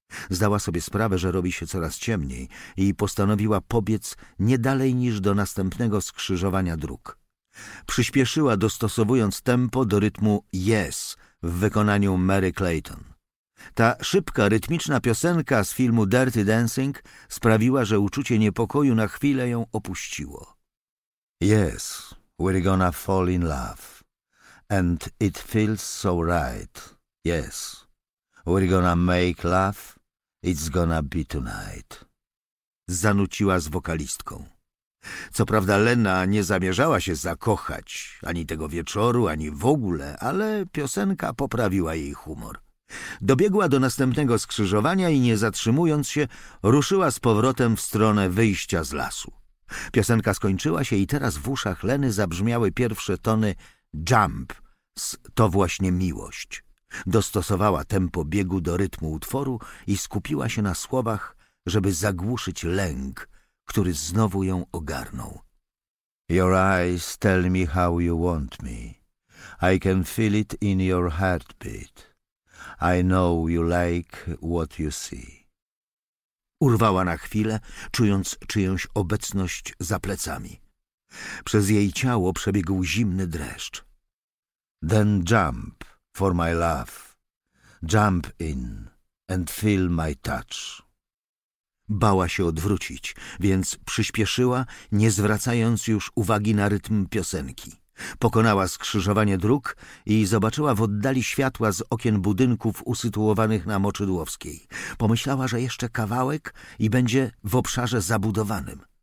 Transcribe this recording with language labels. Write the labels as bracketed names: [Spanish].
[Polish] Zdała sobie sprawę, że robi się coraz ciemniej i postanowiła pobiec nie dalej niż do następnego skrzyżowania dróg. Przyspieszyła, dostosowując tempo do rytmu Yes w wykonaniu Mary Clayton. Ta szybka, rytmiczna piosenka z filmu Dirty Dancing sprawiła, że uczucie niepokoju na chwilę ją opuściło. [English] Yes, we're gonna fall in love. And it feels so right. Yes, we're gonna make love. It's gonna be tonight. [Polish] Zanuciła z wokalistką. Co prawda Lena nie zamierzała się zakochać ani tego wieczoru, ani w ogóle, ale piosenka poprawiła jej humor. Dobiegła do następnego skrzyżowania i nie zatrzymując się, ruszyła z powrotem w stronę wyjścia z lasu. Piosenka skończyła się i teraz w uszach Leny zabrzmiały pierwsze tony Jump z To właśnie miłość. Dostosowała tempo biegu do rytmu utworu i skupiła się na słowach, żeby zagłuszyć lęk, który znowu ją ogarnął. [English] Your eyes tell me how you want me. I can feel it in your heartbeat. I know you like what you see. [Polish] Urwała na chwilę, czując czyjąś obecność za plecami. Przez jej ciało przebiegł zimny dreszcz. [English] Then jump for my love. Jump in and feel my touch. [Polish] Bała się odwrócić, więc przyspieszyła, nie zwracając już uwagi na rytm piosenki. Pokonała skrzyżowanie dróg i zobaczyła w oddali światła z okien budynków usytuowanych na Moczydłowskiej. Pomyślała, że jeszcze kawałek i będzie w obszarze zabudowanym.